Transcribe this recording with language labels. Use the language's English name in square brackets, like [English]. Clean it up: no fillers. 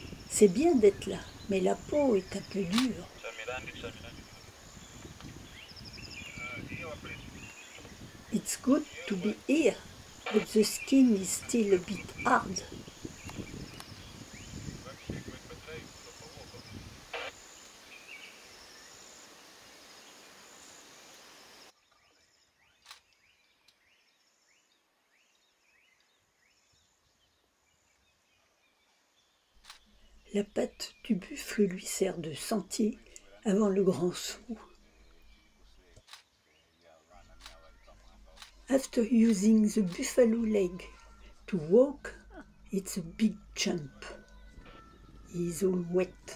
[French] C'est bien d'être là, mais la peau est un peu dure. [English] It's good to be here, but the skin is still a bit hard. [French] La patte du buffle lui sert de sentier avant le grand saut. [English] After using the buffalo leg to walk, it's a big jump. He's all wet.